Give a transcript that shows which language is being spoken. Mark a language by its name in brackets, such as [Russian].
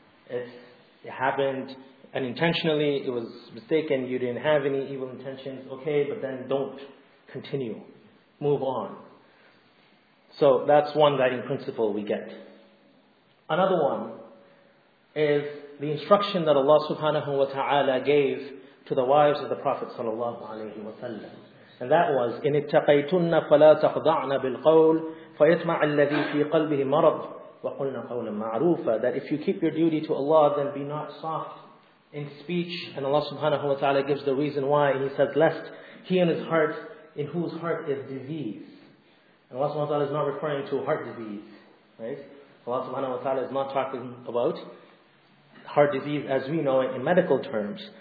[English] it happened unintentionally, it was mistaken, you didn't have any evil intentions, okay, but then don't continue. Move on. So that's one guiding principle we get. Another one is the instruction that Allah subhanahu wa ta'ala gave to the wives of the Prophet sallallahu alayhi wa sallam. And that was, [Arabic] إِنْ اتَّقَيْتُنَّ فَلَا تَخْضَعْنَ بِالْقَوْلِ فَيَطْمَعَ الَّذِي فِي قَلْبِهِ مَرَضٍ وَقُلْنَا قَوْلًا مَعْرُوفًا. [English] That if you keep your duty to Allah, then be not soft in speech. And Allah subhanahu wa ta'ala gives the reason why. He says, lest he in his heart, in whose heart is disease. And Allah subhanahu wa ta'ala is not referring to heart disease. Right? Allah subhanahu wa ta'ala is not talking about heart disease as we know it in medical terms.